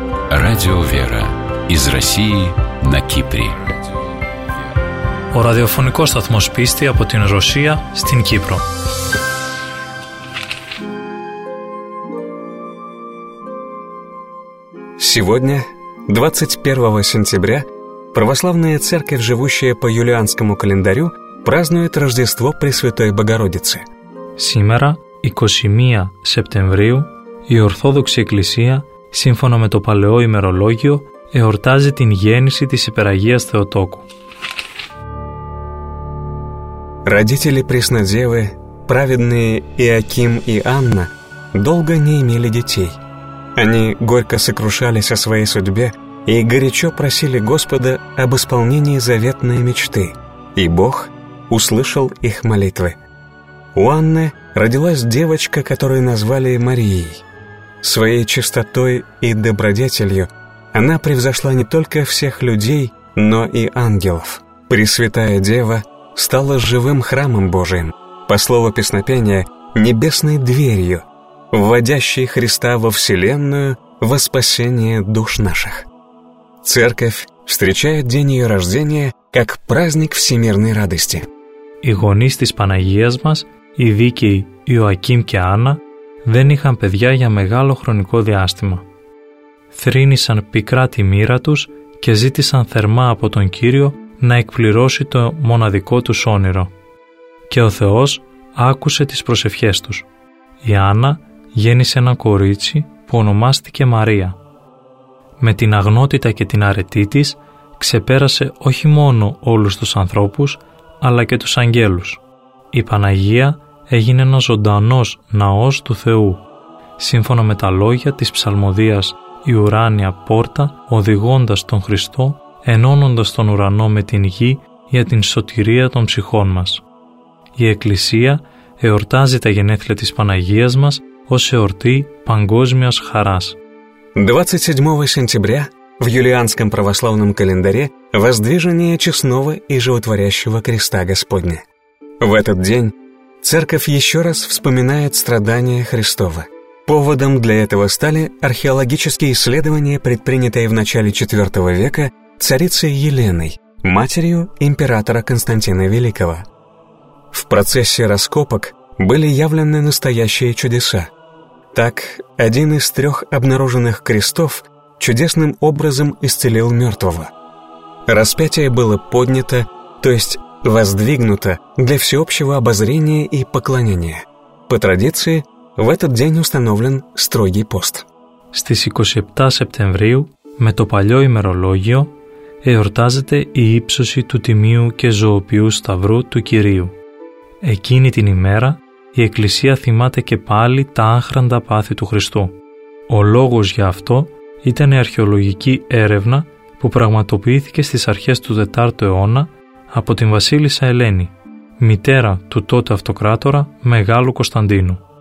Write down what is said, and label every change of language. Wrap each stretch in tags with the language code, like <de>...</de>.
<ru>Радио «Вера» из России на Кипре.</ru> <el>Ο ραδιοφωνικός σταθμός πίστη από την Ρωσία στην Κύπρο.</el> <ru>Сегодня, 21 сентября, православная церковь, живущая по юлианскому календарю, празднует Рождество Пресвятой Богородицы. Сегодня, 21 сентября,</ru> <el>η Ορθόδοξη Εκκλησία, σύμφωνα με το παλαιό ημερολόγιο, εορτάζει την γέννηση της Υπεραγίας Θεοτόκου.</el> <ru>Родители Преснодевы, праведные Иоаким и Анна, долго не имели детей. Они горько сокрушались о своей судьбе и горячо просили Господа об исполнении заветной мечты, и Бог услышал их молитвы. У Анны родилась девочка, которую назвали Марией. Своей чистотой и добродетелью она превзошла не только всех людей, но и ангелов. Пресвятая Дева стала живым храмом Божиим, по слову песнопения, небесной дверью, вводящей Христа во Вселенную во спасение душ наших. Церковь встречает день ее рождения как праздник всемирной радости.</ru> <el>Οι γονείς της Παναγίας μας, οι δίκαιοι Ιωακείμ και Άννα, δεν είχαν παιδιά για μεγάλο χρονικό διάστημα. Θρήνησαν πικρά τη μοίρα τους και ζήτησαν θερμά από τον Κύριο να εκπληρώσει το μοναδικό του όνειρο. Και ο Θεός άκουσε τις προσευχές τους. Η Άννα γέννησε ένα κορίτσι που ονομάστηκε Μαρία. Με την αγνότητα και την αρετή της, ξεπέρασε όχι μόνο όλους τους ανθρώπους, αλλά και τους αγγέλους. Η Παναγία έγινε ένας ζωντανός ναός του Θεού. Σύμφωνα με τα λόγια της ψαλμωδίας «Η ουράνια πόρτα, οδηγώντας τον Χριστό, ενώνοντας τον ουρανό με την γη για την σωτηρία των ψυχών μας». Η Εκκλησία εορτάζει τα γενέθλια της Παναγίας μας ως εορτή παγκόσμιας χαράς. 27 σεπτεμβρίου,</el> <ru>в юлианском православном календаре, воздвижение честного и животворящего креста Господня. В этот день церковь еще раз вспоминает страдания Христова. Поводом для этого стали археологические исследования, предпринятые в начале IV века царицей Еленой, матерью императора Константина Великого. В процессе раскопок были явлены настоящие чудеса. Так, один из трех обнаруженных крестов чудесным образом исцелил мертвого. Распятие было поднято, то есть воздвигнуто, для всеобщего обозрения и поклонения. По традиции, в этот день установлен строгий пост.</ru> <el>Στις 27 Σεπτεμβρίου, με το παλιό ημερολόγιο, εορτάζεται η ύψωση του Τιμίου και Ζωοποιού Σταυρού του Κυρίου. Εκείνη την ημέρα, η Εκκλησία θυμάται και πάλι τα άχραντα πάθη του Χριστού. Ο λόγος για αυτό ήταν η αρχαιολογική έρευνα που πραγματοποιήθηκε στις αρχές του 4ου αιώνα από την Βασίλισσα Ελένη, μητέρα του τότε αυτοκράτορα Μεγάλου Κωνσταντίνου.</el>